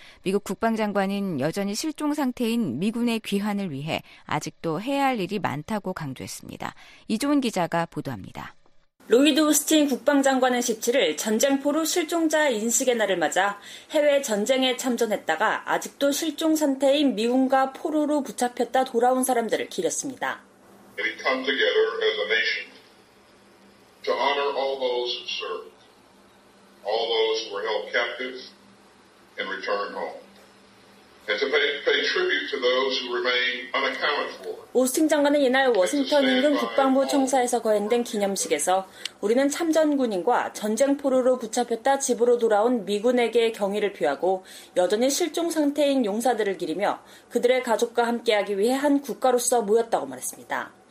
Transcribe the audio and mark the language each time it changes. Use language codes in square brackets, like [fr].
[ko] 미국 국방장관은 여전히 실종 상태인 미군의 귀환을 위해 아직도 해야 할 일이 많다고 강조했습니다. 이종훈 기자가 보도합니다. 로이드 오스틴 국방장관은 17일 전쟁포로 실종자 인식의 날을 맞아 해외 전쟁에 참전했다가 아직도 실종 상태인 미군과 포로로 붙잡혔다 돌아온 사람들을 기렸습니다. [en] We come together as a nation to honor all those who served, all those who were held captive and returned home. and to pay tribute to those who remain unaccounted for. [ko] 오스틴 장관은 이날 워싱턴 인근 국방부 청사에서 거행된 기념식에서 우리는 참전군인과 전쟁포로로 붙잡혔다 집으로 돌아온 미군에게 경의를 표하고 여전히 실종 상태인 용사들을 기리며 그들의 가족과 함께하기 위해 한 국가로서 모였다고 말했습니다.